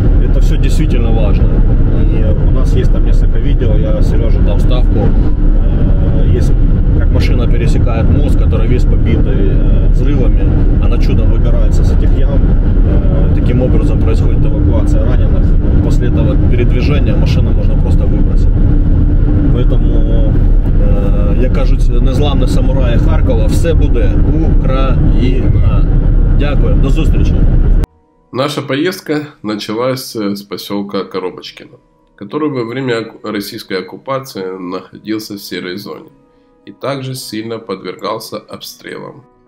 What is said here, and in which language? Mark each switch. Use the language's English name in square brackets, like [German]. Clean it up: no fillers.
[Russian] Это все действительно важно. И у нас есть там несколько видео, я Сереже дал вставку. Есть, как машина пересекает мост, который весь побитый взрывами, она чудом выбирается с этих ям. Таким образом происходит эвакуация раненых. После этого передвижения машину можно просто выбросить. [Ukrainian] Поэтому, як кажуть, незламні самураї Харкова, все буде Україна. Дякую, до зустрічі. Наша поїздка почалася з поселка Коробочкино, [Russian] который во время российской оккупации находился в серой зоне и также сильно подвергался обстрелам.